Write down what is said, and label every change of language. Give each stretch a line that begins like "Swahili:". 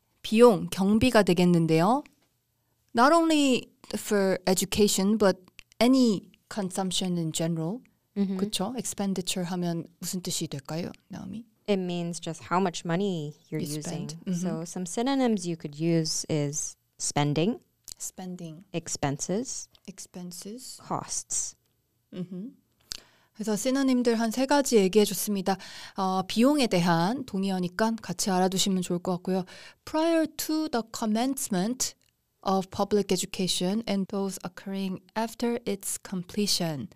Korean: 비용, 경비가 되겠는데요.
English: Not only for education, but any consumption in general.
Korean: Mm-hmm. 그쵸? Expenditure 하면 무슨 뜻이 될까요, Naomi?
English: It means just how much money you're using. Spend. Mm-hmm. So some synonyms you could use is spending. Spending. Expenses. Expenses. Costs. Mm-hmm.
Korean: 그래서 시너님들 한 세 가지 얘기해 줬습니다. 비용에 대한 동의어니까 같이 알아두시면 좋을 것 같고요.
English: Prior to the commencement of public education and those occurring after its completion.